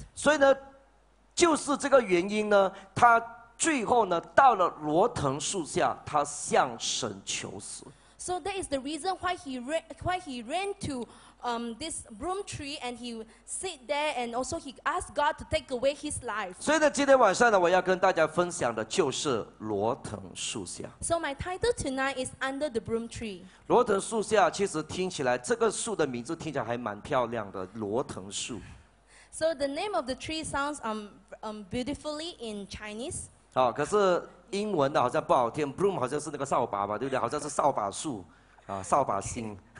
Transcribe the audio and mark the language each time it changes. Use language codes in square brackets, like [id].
[zh] 所以呢，就是这个原因呢，他最后呢，到了罗藤树下，他向神求死。 [en] So that is the reason why he ran to this broom tree and he sit there and also he asked God to take away his life. [zh] 所以呢，今天晚上呢，我要跟大家分享的就是罗藤树下。 [en] So my title tonight is under the broom tree. [zh] 罗藤树下其实听起来，这个树的名字听起来还蛮漂亮的，罗藤树。 [en] So the name of the tree sounds beautifully in Chinese. [zh] 好，可是。英文的好像不好听 ，broom 好像是那个扫把吧，对不对？好像是扫把树，啊，扫把星。